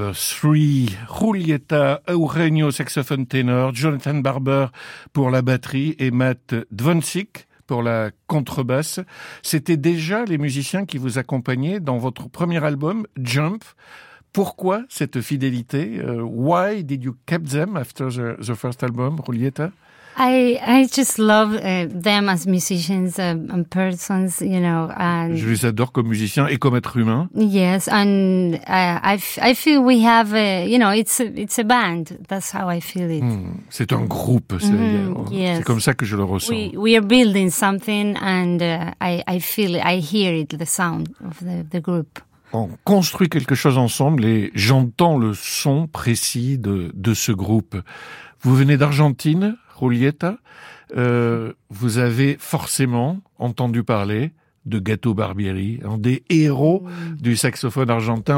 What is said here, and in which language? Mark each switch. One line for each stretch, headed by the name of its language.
French: Three, Julieta Eugenio, saxophone ténor, Jonathan Barber pour la batterie et Matt Dvonsik pour la contrebasse. C'était déjà les musiciens qui vous accompagnaient dans votre premier album, Jump. Pourquoi cette fidélité?
English: Why did you keep them after the first album, Julieta? I just love them as musicians and persons, you know. And
French: je les adore comme musiciens et comme êtres humains.
English: Yes, and I feel we have, it's a band. That's how I feel it.
French: C'est un groupe, c'est,
English: yes.
French: C'est comme ça que je le ressens.
English: We are building something and I hear it, the sound of the group.
French: On construit quelque chose ensemble et j'entends le son précis de ce groupe. Vous venez d'Argentine, Julieta, vous avez forcément entendu parler de Gato Barbieri, un des héros du saxophone argentin.